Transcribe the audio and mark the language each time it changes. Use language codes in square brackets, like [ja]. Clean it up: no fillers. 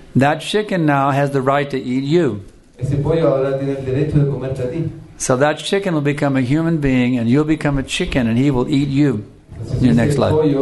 [en] that chicken now has the right to eat you. [es] Ese pollo ahora tiene el derecho de comerte a ti. [en] So that chicken will become a human being and you'll become a chicken and he will eat you in your next life.